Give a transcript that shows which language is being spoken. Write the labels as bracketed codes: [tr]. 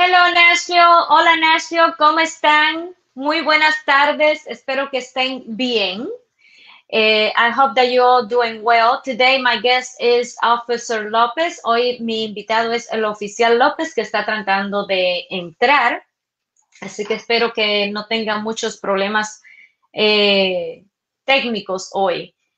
[es] Ignacio, hola Ignacio, ¿cómo están? Muy buenas tardes, espero que estén bien. [en] I hope that you're doing well. Today my guest is Officer López. [es] Hoy mi invitado es el oficial López que está tratando de entrar. Así que espero que no tenga muchos problemas técnicos hoy.